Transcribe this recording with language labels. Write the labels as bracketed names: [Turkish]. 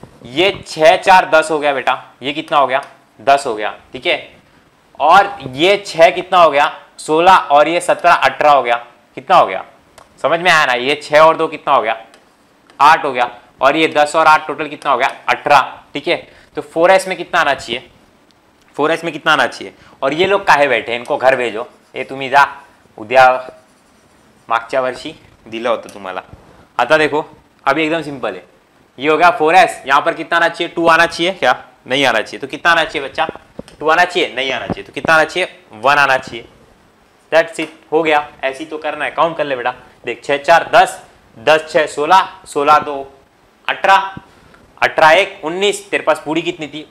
[Hindi] ये 6 4 10 हो गया बेटा, ये कितना हो गया? 10 हो गया, ठीक है। और ये 6 कितना हो गया? 16, और ये 17 18 हो गया, कितना हो गया? समझ में आया ना? ये 6 और 2 कितना हो गया? 8 हो गया, और ये 10 और 8 टोटल कितना हो गया? 18, ठीक है। तो 4S में कितना आना चाहिए? 4S में कितना आना चाहिए? और ये लोग काहे बैठे, इनको घर भेजो, [Marathi] ए तुम्ही जा उद्या, मागच्या वर्षी दिलं होतं तुम्हाला। [Hindi] आता देखो अभी एकदम सिंपल है, ये हो गया 4S, यहाँ पर कितना आना चाहिए? 2 आना चाहिए, क्या नहीं आना चाहिए? तो कितना आना चाहिए बच्चा? 2 आना चाहिए, नहीं आना चाहिए, तो कितना आना चाहिए? 1 आना चाहिए। दैट्स इट, हो गया। ऐसी तो करना है, काउंट कर ले बेटा, देख 6 4 10, 10 6 16, 16 2 18, 18 1 19, तेरे पास पूरी कितनी थी?